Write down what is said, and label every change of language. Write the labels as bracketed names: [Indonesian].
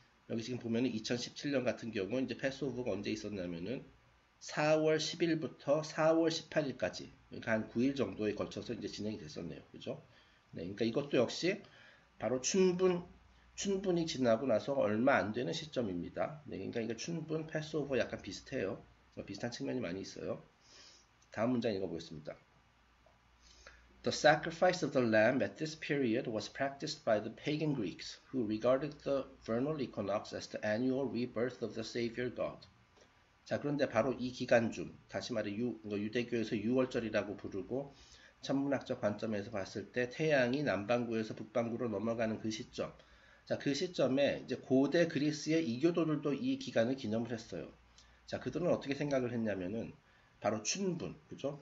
[Korean] 여기 지금 보면은 2017년 같은 경우는 이제 패스오버가 언제 있었냐면은 4월 10일부터 4월 18일까지 그러니까 한 9일 정도에 걸쳐서 이제 진행이 됐었네요. 그죠? 네, 그러니까 이것도 역시 바로 춘분이 지나고 나서 얼마 안 되는 시점입니다. 네, 그러니까 이게 춘분 패스오버 약간 비슷해요. 비슷한 측면이 많이 있어요. 다음 문장 읽어보겠습니다. [English] The sacrifice of the lamb at this period was practiced by the pagan Greeks, who regarded the vernal equinox as the annual rebirth of the Savior God. [Korean] 자, 그런데 바로 이 기간 중, 다시 말해 유대교에서 유월절이라고 부르고, 천문학적 관점에서 봤을 때 태양이 남반구에서 북반구로 넘어가는 그 시점. 자, 그 시점에 이제 고대 그리스의 이교도들도 이 기간을 기념을 했어요. 자, 그들은 어떻게 생각을 했냐면은 바로 춘분, 그죠?